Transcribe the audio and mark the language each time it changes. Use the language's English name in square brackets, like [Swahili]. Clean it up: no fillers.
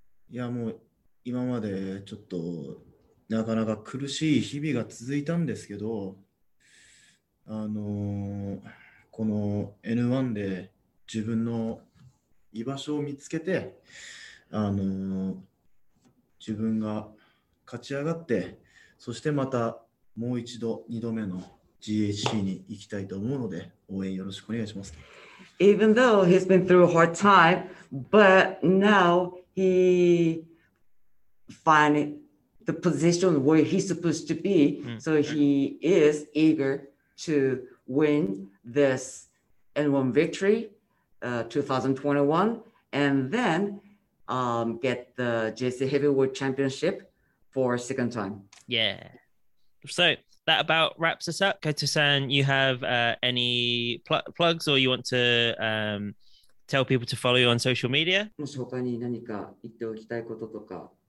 [Japanese] いやもう今までちょっとなかなか苦しい日々が続いたんですけど、この N1 で自分の居場所を見つけて、自分が勝ち上がって、そしてまたもう一度2度目の GHC に行きたいと思うので、応援よろしくお願いします。 [English] Even though he's been through a hard time, but now he find the position where he's supposed to be, so he is eager to win this N1 victory 2021, and then get the JC Heavyweight Championship for a second time. Yeah. So that about wraps us up. Kaito-san, you have any plugs or you want to tell people to follow you on social media? [Japanese] もし他に何か言っておきたいこととか